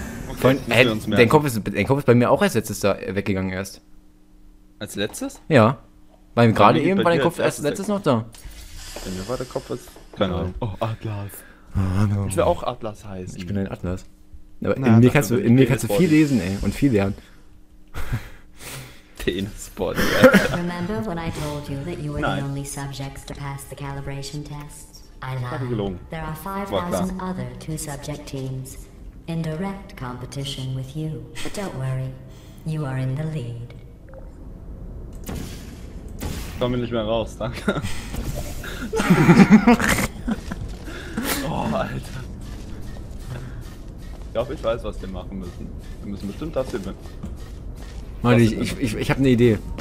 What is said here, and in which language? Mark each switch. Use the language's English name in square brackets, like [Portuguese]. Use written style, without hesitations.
[German] Okay, okay, dein Kopf ist bei mir auch als letztes da weggegangen erst. Als letztes? Ja. Weil gerade eben war dein Kopf als letztes noch da. Bei mir war der Kopf als... Keine Ahnung. Oh, Atlas. Ich will auch Atlas heißen. Ich bin ein Atlas. Aber naja, in mir kannst du viel lesen, ey. Und viel lernen. [English] Remember when I told you that you were the only subjects to pass the calibration tests? I lied. There are 5,000 other 2-subject teams in direct competition with you. But don't worry, you are in the lead. [German] Komm nicht mehr raus, danke. Oh, Alter. Ich glaube, ich weiß, was wir machen müssen. Wir müssen bestimmt das hier mit. Mann, ich hab ne Idee.